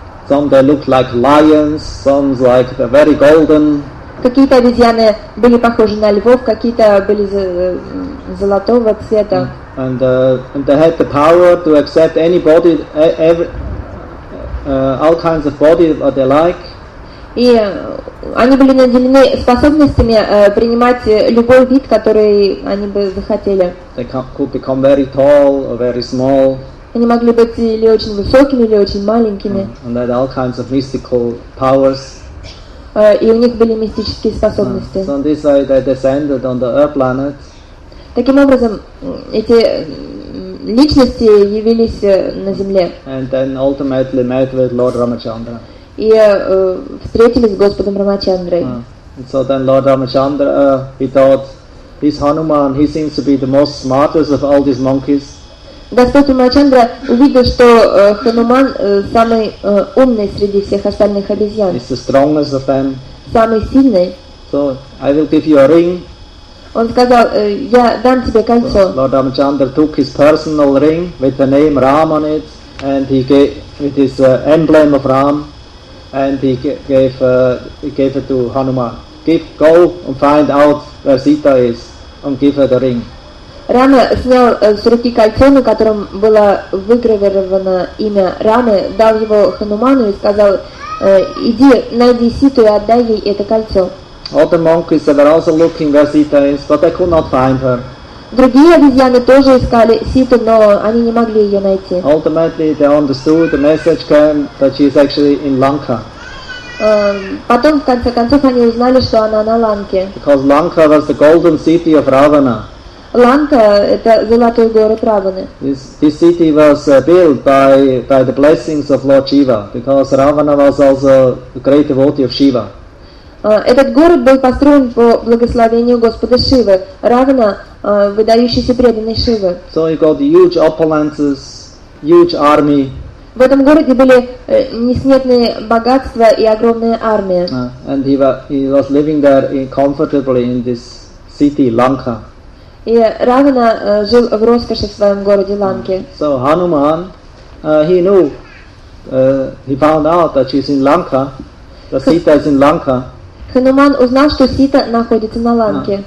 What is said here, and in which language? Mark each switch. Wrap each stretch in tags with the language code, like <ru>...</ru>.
<en>Some they looked like lions, some like the very golden.</en> <ru>Какие-то обезьяны были похожи на львов, какие-то были золотого цвета.</ru> <en>And they had the power to accept any body, all kinds of body that they like.</en> <ru>И они были наделены способностями принимать любой вид, который они бы захотели.</ru> <en>They could become very tall or very small.</en> <ru>Они могли быть или очень высокими, или очень маленькими.</ru> <en>And they had all kinds of mystical powers.</en> <ru>И у них были мистические способности.</ru> <en>So on this side they descended on the earth planet.</en> <ru>Таким образом, эти личности явились на Земле.</ru> <en>And then ultimately met with Lord Ramachandra.</en> <ru>И встретились с Господом Рамачандрой.</ru> <en>And so then Lord Ramachandra, he thought, this Hanuman, he seems to be the most smartest of all these monkeys.</en> <ru>Господь Рамачандра увидел, что Хануман самый умный среди всех остальных обезьян.</ru> <en>He's the strongest of them.</en> <ru>Самый сильный.</ru> <en>So, I will give you a ring.</en> <ru>Он сказал, я дам тебе кольцо.</ru> <en>So, Lord Рамачандра took his personal ring with the name Ram on it, and he gave with his emblem of Ram, and he gave it to Hanuman. Go and find out where Sita is, and give her the ring.</en> <ru>Рама снял с руки кольцо, на котором было выгравировано имя Рамы, дал его Хануману и сказал, иди, найди Ситу и отдай ей это кольцо.</ru> <en>Other monkeys were also looking where Sita is, but they could not find her.</en> <ru>Другие обезьяны тоже искали Ситу, но они не могли ее найти.</ru> <en>Ultimately, they understood the message came that she is actually in Lanka.</en> <ru>Потом, в конце концов, они узнали, что она на Ланке.</ru> <en>Because Lanka was the golden city of Ravana.</en> <ru>Ланка – это золотой город Раваны.</ru> <en>This city was built by the blessings of Lord Shiva, because Ravana was also a great devotee of Shiva.</en> <ru>Этот город был построен по благословению Господа Шивы. Равана – выдающийся преданный Шивы.</ru> <en>So he got huge opulences, huge army.</en> <ru>В этом городе были несметные богатства и огромная армия.</ru> <en>And he was living there comfortably in this city, Lanka.</en> <ru>И Равана жил в роскоши в своем городе Ланке.</ru> <en>So Hanuman, he knew, he found out that she's in Lanka, the Sita is in Lanka.</en> <ru>Хануман узнал, что Сита находится на Ланке.</ru>